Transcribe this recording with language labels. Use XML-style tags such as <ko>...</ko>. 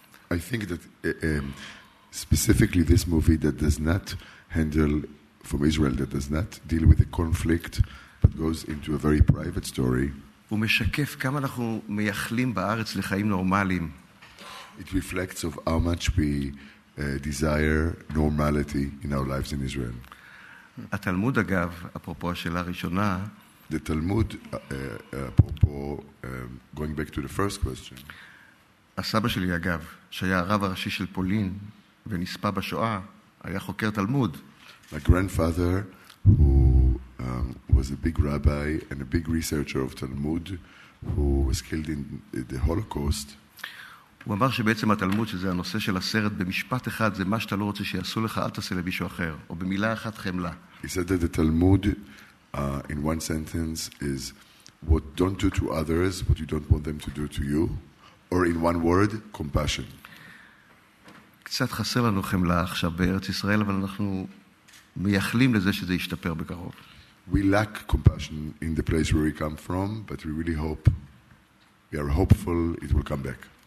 <en>I think that specifically this movie that does not handle from Israel, that does not deal with a conflict, but goes into a very private story.</en> <he>הוא משקף כמה אנחנו מייחלים בארץ לחיים נורמליים.</he> <en>It reflects of how much we... desire normality in our lives in Israel.</en> <he>התלמוד אגב, אפרופו השאלה הראשונה,</he> <en>the Talmud אפרופו going back to the first question.</en> <he>הסבא שלי אגב, שהיה הרב הראשי של פולין ונספה בשואה, היה חוקר תלמוד.</he> <en>My grandfather who was a big rabbi and a big researcher of Talmud who was killed in the Holocaust.</en> <he>הוא אמר שבעצם התלמוד, שזה הנושא של הסרט, במשפט אחד, זה מה שאתה לא רוצה שיעשו לך, אל תעשה למישהו אחר, או במילה אחת חמלה.</he> <en>He said that the Talmud, in one sentence, is what don't do to others, what you don't want them to do to you, or in one word, compassion.</en> <he>קצת חסר לנו חמלה עכשיו בארץ ישראל, אבל אנחנו מייחלים לזה שזה ישתפר בקרוב.</he> <en>We lack compassion in the place where we come from, but we really hope, we are hopeful it will come back.</en>